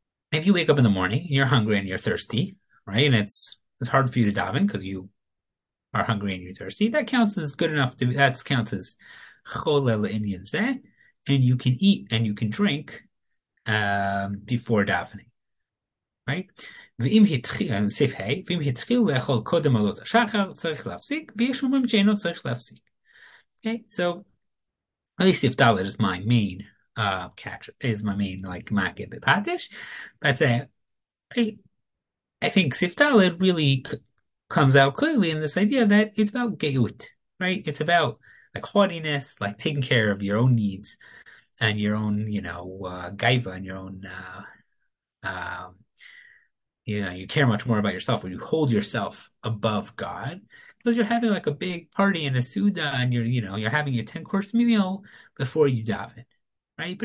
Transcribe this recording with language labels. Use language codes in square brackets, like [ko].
[en] If you wake up in the morning and you're hungry and you're thirsty, right, and it's hard for you to daven because you are hungry and you're thirsty, that counts as good enough to be, that counts as Cholel Inyan Zeh, and you can eat and you can drink before davening, right? [he] ואם התחיל, סעיף ה', ואם התחיל לאכול קודם עלות השחר, צריך להפסיק, ויש אומרים שאינו צריך להפסיק. [en] Okay, so, at least if Dalet is my main catch, is my main, like, market the patish, but I think Sif Dalet really comes out clearly in this idea that it's about geut, right? It's about, like, haughtiness, like, taking care of your own needs, and your own, gaiva, and your own, you care much more about yourself, or you hold yourself above God, because you're having like a big party in a suda, and you're having a 10-course meal before you daven, right?